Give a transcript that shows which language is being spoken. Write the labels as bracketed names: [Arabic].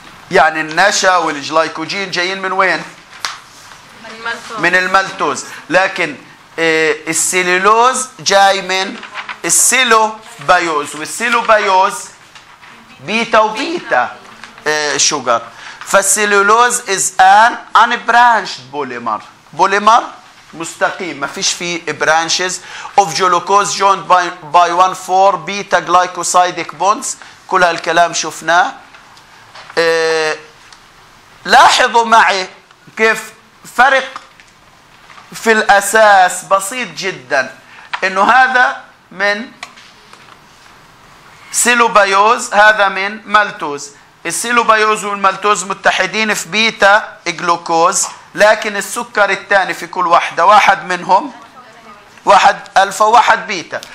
[Arabic] يعني النشا والجلايكوجين جايين من وين؟ من الملتوز. لكن السليلوز جاي من السيلوبيوز. والسيلوبيوز بيتا وبيتا شوغر. [English] فالسليلوز is an unbranched polymer. [Arabic] بوليمر مستقيم ما فيش فيه [English] branches of glucose joined by 1-4 beta glycosidic bonds. [Arabic] كل هالكلام شفناه. لاحظوا معي كيف فرق في الأساس بسيط جدا إنه هذا من سيلوبيوز هذا من مالتوز. السيلوبيوز والمالتوز متحدين في بيتا جلوكوز لكن السكر الثاني في كل واحدة واحد منهم واحد ألفا واحد بيتا.